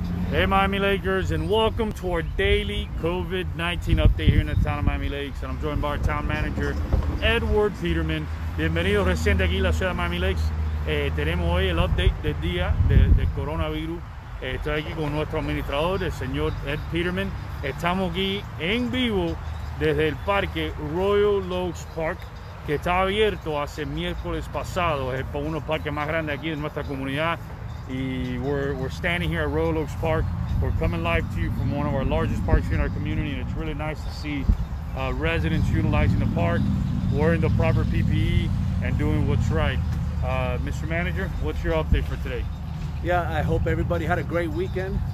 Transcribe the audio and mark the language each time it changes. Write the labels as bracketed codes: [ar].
[en] Hey Miami Lakers, and welcome to our daily COVID-19 update here in the town of Miami Lakes. And I'm joined by our town manager, Edward Pidermann. [es] Bienvenido recién de aquí la ciudad de Miami Lakes. Tenemos hoy el update del día del coronavirus. Estoy aquí con nuestro administrador, el señor Ed Pidermann. Estamos aquí en vivo desde el parque Royal Oaks Park, que está abierto hace miércoles pasado. Es uno de los parques más grandes aquí de nuestra comunidad. [en] We're standing here at Royal Oaks Park. We're coming live to you from one of our largest parks here in our community, and it's really nice to see residents utilizing the park, wearing the proper PPE, and doing what's right. Mr. Manager, what's your update for today? Yeah, I hope everybody had a great weekend.